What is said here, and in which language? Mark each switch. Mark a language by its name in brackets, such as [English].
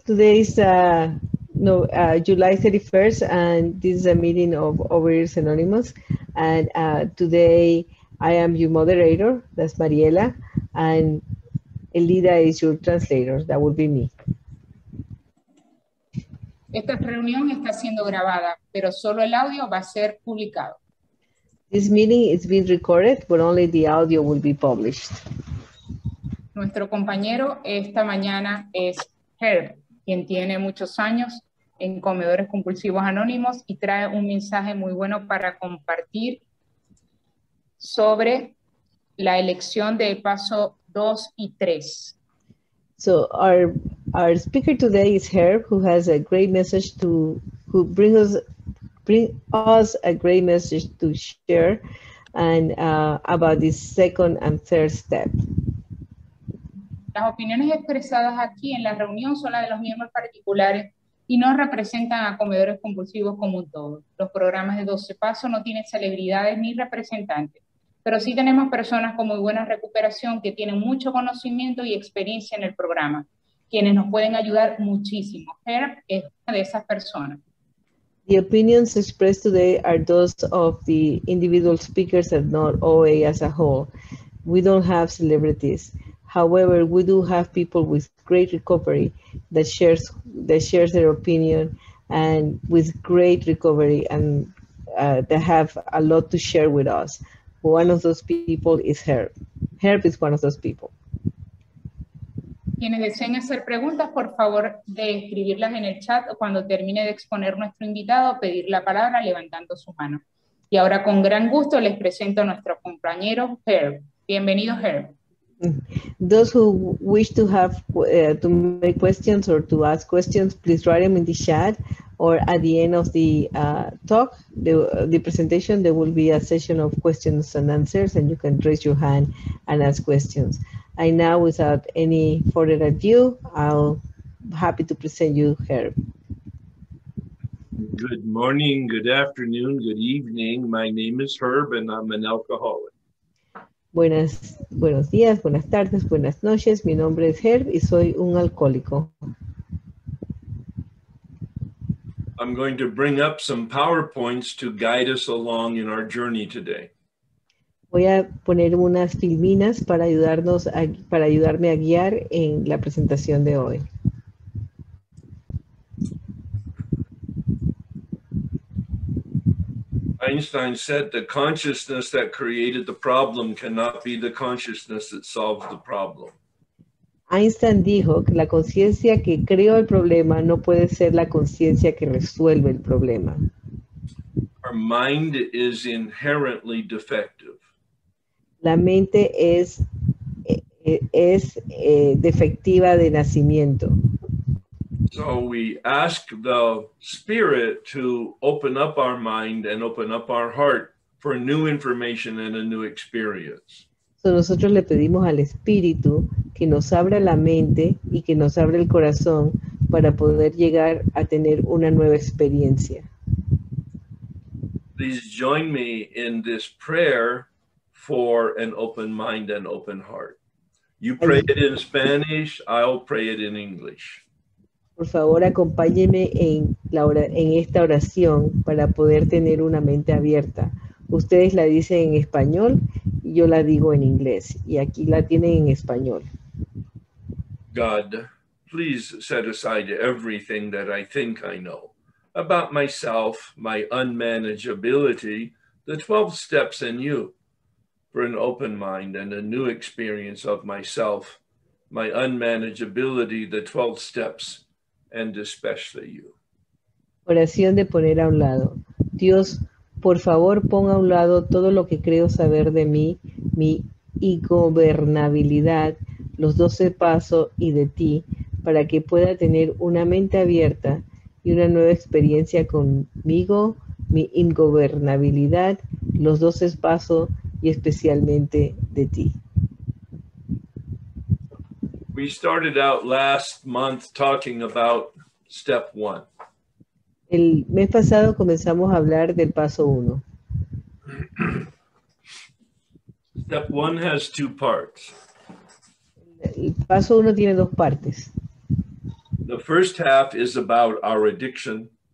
[English] Today is July 31st, and this is a meeting of Overeaters Anonymous. And today I am your moderator, that's Mariela, and Elida is your translator, that would be me. [Spanish] Esta reunión está siendo grabada, pero solo el audio va a ser publicado. [English] This meeting is being recorded, but only the audio will be published. [Spanish] Nuestro compañero esta mañana es Herb, quien tiene muchos años en Comedores Compulsivos Anónimos y trae un mensaje muy bueno para compartir sobre la elección de paso 2 y 3. [English] So our speaker today is Herb, who has a great message to who bring us a great message to share and about this second and third step. [Spanish] Las opiniones expresadas aquí en la reunión son las de los miembros particulares y no representan a comedores compulsivos como un todo. Los programas de 12 pasos no tienen celebridades ni representantes, pero sí tenemos personas con muy buena recuperación que tienen mucho conocimiento y experiencia en el programa, quienes nos pueden ayudar muchísimo. Herb es una de esas personas. [English] The opinions expressed today are those of the individual speakers and not OA as a whole. We don't have celebrities. However, we do have people with great recovery that shares their opinion and with great recovery and that have a lot to share with us. One of those people is Herb. Herb is one of those people. [Spanish] Quienes deseen hacer preguntas, por favor, de escribirlas en el chat o cuando termine de exponer nuestro invitado, pedir la palabra levantando su mano. Y ahora con gran gusto les presento a nuestro compañero Herb. Bienvenido, Herb. [English] Those who wish to have to make questions or to ask questions, please write them in the chat or at the end of the talk, the presentation, there will be a session of questions and answers and you can raise your hand and ask questions. And now without any further ado, I'll be happy to present you here. Good morning, good afternoon, good evening. My name is Herb and I'm an alcoholic. [Spanish] Buenos días, buenas tardes, buenas noches. Mi nombre es Herb y soy un alcohólico. [English] I'm going to bring up some PowerPoints to guide us along in our journey today. [Spanish] Voy a poner unas filminas para ayudarnos a, para ayudarme a guiar en la presentación de hoy. [English] Einstein said the consciousness that created the problem cannot be the consciousness that solves the problem. [Spanish] Einstein dijo que la conciencia que creó el problema no puede ser la conciencia que resuelve el problema. [English] Our mind is inherently defective. [Spanish] La mente es defectiva de nacimiento. [English] So we ask the spirit to open up our mind and open up our heart for new information and a new experience. [Spanish] So nosotros le pedimos al espíritu que nos abra la mente y que nos abra el corazón para poder llegar a tener una nueva experiencia. [English] Please join me in this prayer for an open mind and open heart. You pray it in Spanish, I'll pray it in English. [Spanish] Por favor, acompáñeme en, en esta oración para poder tener una mente abierta. Ustedes la dicen en español y yo la digo en inglés. Y aquí la tienen en español. [English] God, please set aside everything that I think I know about myself, my unmanageability, the 12 steps in you for an open mind and a new experience of myself, my unmanageability, the 12 steps. And especially you. [Spanish] Oración de poner a un lado. Dios, por favor, ponga a un lado todo lo que creo saber de mí, mi ingobernabilidad, los 12 pasos y de ti, para que pueda tener una mente abierta y una nueva experiencia conmigo, mi ingobernabilidad, los 12 pasos y especialmente de ti. [English] We started out last month talking about step one. [Spanish] El mes pasado comenzamos a hablar del paso uno. [English] Step one has two parts. [Spanish] El paso uno tiene dos partes. [English] The first half is about our addiction.